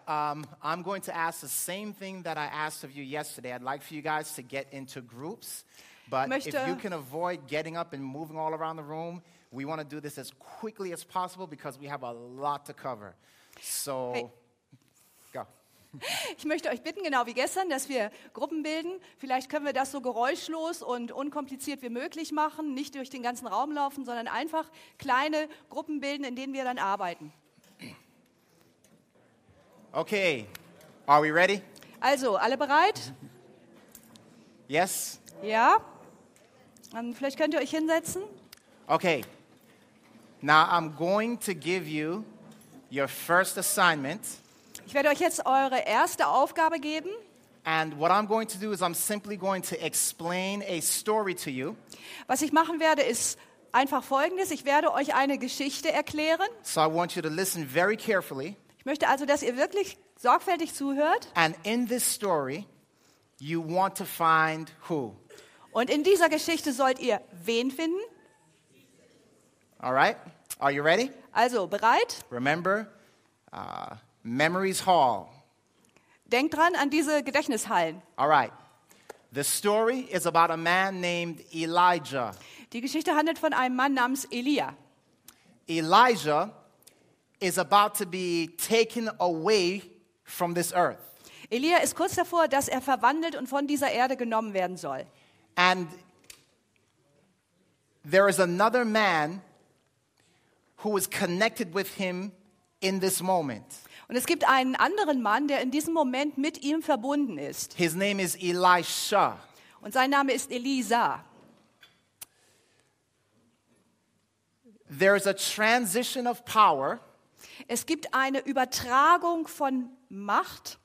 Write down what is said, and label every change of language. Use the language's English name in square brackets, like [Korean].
[English] I'm going to ask the same thing that I asked of you yesterday. I'd like for you guys to get into groups. But [German] möchte, [English] if you can avoid getting up and moving all around the room, we want to do this as quickly as possible because we have a lot to cover. So, hey. Go. [German] Ich möchte euch bitten, genau wie gestern, dass wir Gruppen bilden. Vielleicht können wir das so geräuschlos und unkompliziert wie möglich machen. Nicht durch den ganzen Raum laufen, sondern einfach kleine Gruppen bilden, in denen wir dann arbeiten. [English] Okay, are we ready? [German] Also, alle bereit? [English] Yes? [German] Ja? Und vielleicht könnt ihr euch hinsetzen. [English] Okay, now I'm going to give you your first assignment. [German] Ich werde euch jetzt eure erste Aufgabe geben. [English] And what I'm going to do is I'm simply going to explain a story to you. [German] Was ich machen werde, ist einfach Folgendes. Ich werde euch eine Geschichte erklären. [English] So I want you to listen very carefully. [German] Ich möchte also, dass ihr wirklich sorgfältig zuhört. [English] And in this story, you want to find who? [German] Und in dieser Geschichte sollt ihr wen finden? [English] All right. Are you ready? [German] Also, bereit? [English] Remember, Memories Hall. [German] Denk dran an diese Gedächtnishallen. [English] All right. The story is about a man named Elijah. [German] Die Geschichte handelt von einem Mann namens Elia. [English] Elijah is about to be taken away from this earth. [German] Elia ist kurz davor, dass er verwandelt und von dieser Erde genommen werden soll. [English] And there is another man who is connected with him in this moment. [German] Und es gibt einen anderen Mann, der in diesem Moment mit ihm verbunden ist. [English] His name is Elisha. [German] Und sein Name ist Elisa. [English] There is a transition of power. [German] Es gibt eine Übertragung von Macht.